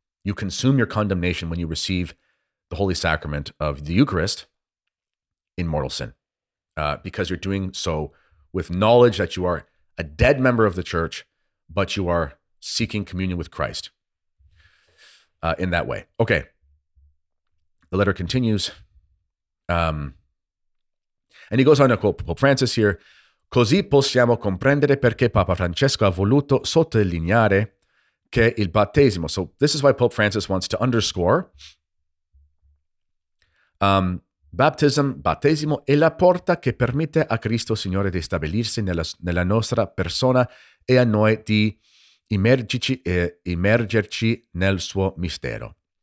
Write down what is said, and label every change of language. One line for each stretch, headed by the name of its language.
English: You consume your condemnation when you receive the Holy Sacrament of the Eucharist in mortal sin, because you're doing so with knowledge that you are a dead member of the church, but you are seeking communion with Christ in that way. Okay. The letter continues. And he goes on to quote Pope Francis here.
Italian: Così possiamo comprendere perché Papa Francesco ha voluto sottolineare che il battesimo.
English: So this is why Pope Francis wants to underscore.
Italian: Baptism, battesimo, è la porta che permette a Cristo Signore di stabilirsi nella nostra persona e a noi di immergerci nel suo mistero.